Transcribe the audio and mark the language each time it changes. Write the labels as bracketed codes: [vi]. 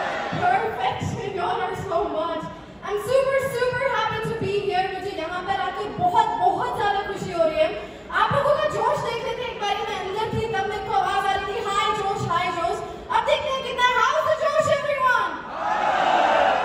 [en] perfection, you are so much. I'm super super happy to be here. [hi] मुझे यहाँ पर आके बहुत बहुत ज़्यादा खुशी हो रही है. आप लोगों का जोश देख लेते हैं. एक बारी मैं अंदर थी तब मेरे को आवाज़ आ रही थी, हाई जोश हाई जोश. अब देखते हैं कितना. [en] How is the Josh everyone?